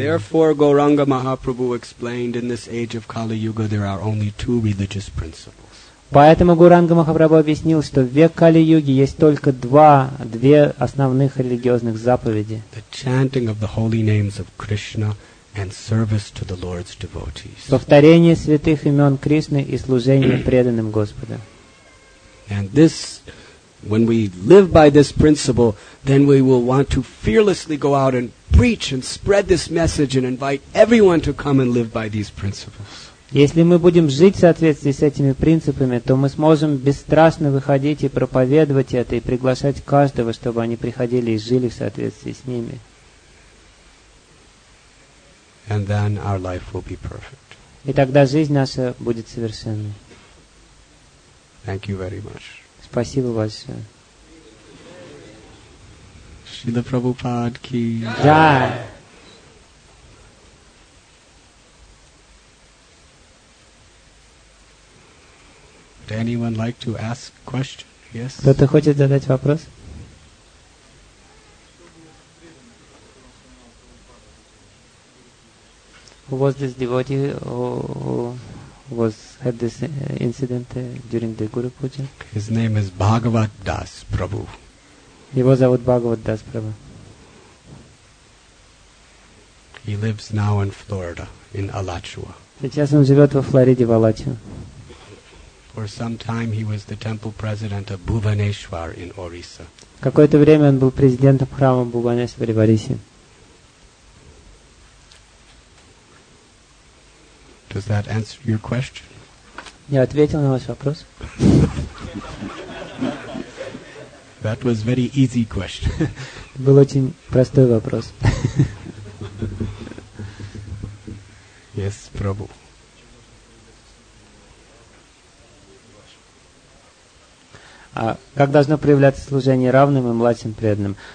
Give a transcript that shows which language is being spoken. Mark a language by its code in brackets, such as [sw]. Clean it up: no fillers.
[en] Therefore, Gauranga Mahaprabhu explained, in this age of Kali-Yuga, there are only two religious principles. [ru] Поэтому Гауранга Махапрабху объяснил, что в век Кали-Юги есть только две основных религиозных заповеди. [en] The chanting of the holy names of Krishna and service to the Lord's devotees. [ru] Повторение святых имен Кришны и служение преданным Господа. [en] And this, when we live by this principle, then we will want to fearlessly go out and preach and spread this message and invite everyone to come and live by these principles. [ru] Если мы будем жить в соответствии с этими принципами, то мы сможем бесстрашно выходить и проповедовать это и приглашать каждого, чтобы они приходили и жили в соответствии с ними. [en] And then our life will be perfect. [ru] И тогда жизнь наша будет совершенной. [en] Thank you very much. [ru] Спасибо большое. [hi] Шрила Прабхупад ки джай. [en] Would anyone like to ask a question? Yes. [ru] Кто-то хочет задать вопрос? [en] Who was this devotee who had this incident during the Guru Puja? His name is Bhagavat Das Prabhu. He was about Bhagavat Das Prabhu. He lives now in Florida, in Alachua. [ru] Сейчас он живет во Флориде, в Алачуа. [en] For some time he was the temple president of Bhuvaneshwar in Orissa. [ru] Какое-то время он был президентом храма Бхубанешвар в Орисе. [en] Does that answer your question? [ru] Я ответил на ваш вопрос. [en] That was very easy question. [ru] Был очень простой вопрос. [en] Yes, Prabhu. [ru] Как должно проявляться служение равным и младшим преданным?